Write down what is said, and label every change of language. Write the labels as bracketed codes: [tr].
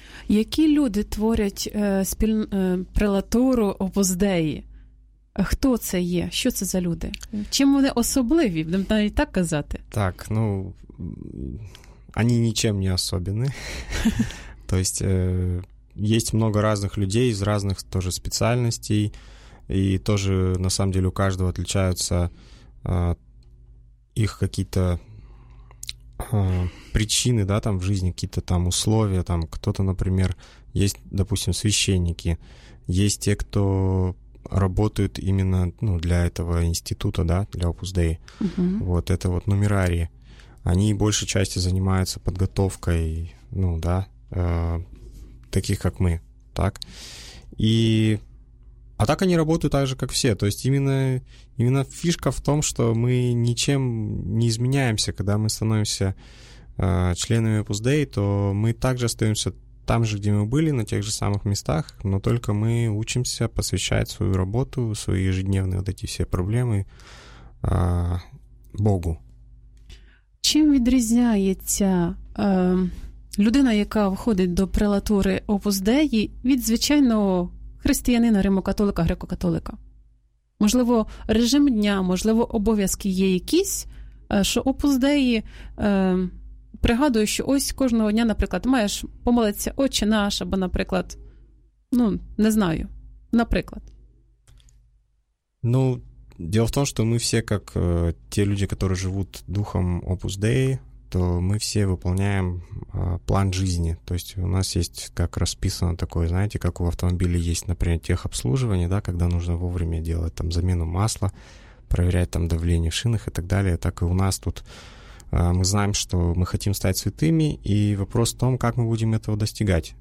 [uk] Які люди творять прелатуру Opus Dei? Хто це є? Що це за люди? Чим вони особливі? Будемо навіть так казати. Так, ну, вони нічим не особливі. Тобто, є багато різних людей з різних теж спеціальностей, [ru] и тоже, на самом деле, у каждого отличаются их какие-то причины, да, там, в жизни, какие-то там условия, там, кто-то, например, есть, допустим, священники, есть те, кто работают именно, ну, для этого института, да, для Opus Dei, вот, это вот нумерарии, они большей части занимаются подготовкой, ну, да, таких, как мы, так, и... А так они работают так же, как все. То есть именно фишка в том, что мы ничем не изменяемся. Когда мы становимся членами Opus Dei, то мы также остаемся там же, где мы были, на тех же самых местах, но только мы учимся посвящать свою работу, свои ежедневные вот эти все проблемы Богу. [uk] Чем відрізняється людина, яка входить до прелатури Opus Dei, від звичайного християнина, римокатолика, греко-католика? Можливо, режим дня, можливо, обов'язки є якісь, що Opus Dei, пригадую, що ось кожного дня, наприклад, маєш помолитися «Отче наш», або, наприклад, ну, не знаю, наприклад. Ну, діло в тому, що ми всі, як ті люди, які живуть духом Opus Dei, [ru] то мы все выполняем план жизни. То есть у нас есть как расписано такое, знаете, как у автомобиля есть, например, техобслуживание, да, когда нужно вовремя делать там замену масла, проверять там давление в шинах и так далее. Так и у нас тут мы знаем, что мы хотим стать святыми, и вопрос в том, как мы будем этого достигать.